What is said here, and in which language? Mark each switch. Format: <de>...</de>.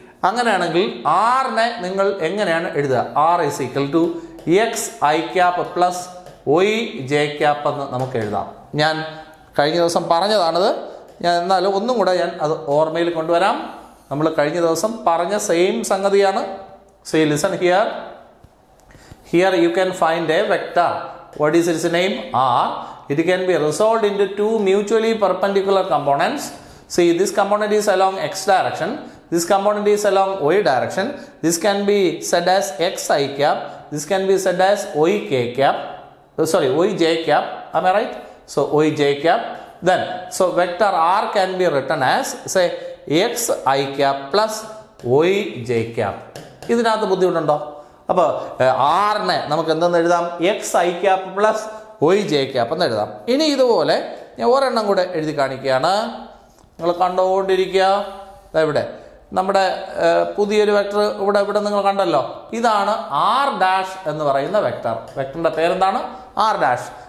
<ml>അങ്ങനെയാണെങ്കിൽ ആറിനെ നിങ്ങൾ എങ്ങനെയാണ് എഴുതുക?</ml> <en>R is equal to X I cap plus Y J cap</en> <ml>എന്ന് നമുക്ക് എഴുതാം. ഞാൻ കഴിഞ്ഞ ദിവസം പറഞ്ഞതാണത്. ഞാൻ എന്നാലും ഒന്നും കൂടെ ഞാൻ അത് ഓർമ്മയിൽ കൊണ്ടുവരാം. നമ്മൾ കഴിഞ്ഞ ദിവസം പറഞ്ഞ സെയിം സംഗതിയാണ്.</ml> <en>See, listen here. Here you can find a vector. What is its name? R. It can be resolved into two mutually perpendicular components. See, this component is along x direction. This component is along y direction. This can be said as x I cap. This can be said as y k cap. Sorry, y j cap. Am I right? So oij cap, then so vector r can be written as say x I cap plus y j cap.</en> <ml>ഇതിനകത്ത് ബുദ്ധിമുട്ടുണ്ടോ? അപ്പോൾ ആറിനെ നമുക്ക് എന്തെന്ന് എഴുതാം? X I cap plus Y J cap എന്ന് എഴുതാം. ഇനി ഇതുപോലെ ഞാൻ ഒരെണ്ണം കൂടെ എഴുതി കാണിക്കുകയാണ്. നിങ്ങൾ കണ്ടുകൊണ്ടിരിക്കുക. ഇവിടെ നമ്മുടെ പുതിയൊരു വെക്ടർ ഇവിടെ ഇവിടെ നിങ്ങൾ കണ്ടല്ലോ. ഇതാണ് ആർ ഡാഷ് എന്ന് പറയുന്ന വെക്ടർ. വെക്ടറിൻ്റെ പേരെന്താണ്? R dash.</ml>